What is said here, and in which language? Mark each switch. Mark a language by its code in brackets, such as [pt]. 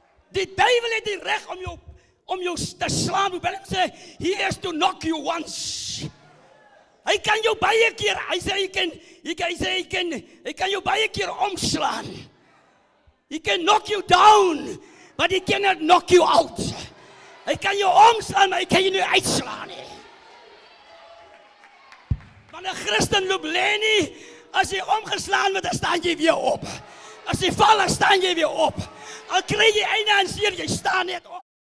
[af] Die duivel het die reg om jou te slaan, wil ek sê, [en] he has to knock you once. [af] Hy kan jou baie keer, hy kan jou baie keer omslaan. [en] He can knock you down, but he cannot knock you out. [af] Hy kan jou omslaan, maar hy kan jou nie uitslaan nie. Want 'n Christen loop lê nie, as jy omgeslaan word, dan staan jy weer op. As jy val, dan staan jy weer op. Al kry jy einde en seer, jy staan net op.